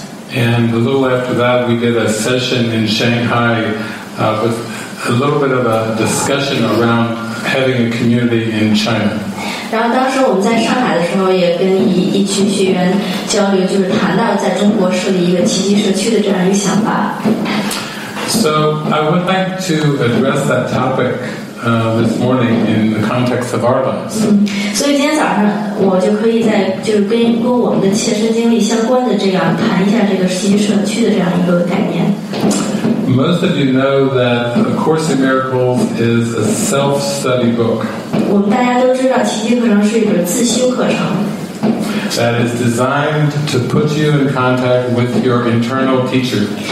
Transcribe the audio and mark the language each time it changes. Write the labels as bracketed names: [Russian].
[English] And a little after that, we did a session in Shanghai with a little bit of a discussion around having a community in China. [Chinese] 然后当时我们在上海的时候也跟一群学员交流就是谈到在中国设立一个奇迹社区的这样一个想法 [English] So I would like to address that topic this morning in the context of our lives [Chinese] 所以今天早上我就可以在就是跟我们的切身经历相关的这样谈一下这个奇迹社区的这样一个概念 [English] Most of you know that A Course in Miracles is a self-study book [Chinese] 我们大家都知道奇迹课程是一本自修课程 [English] That is designed to put you in contact with your internal teacher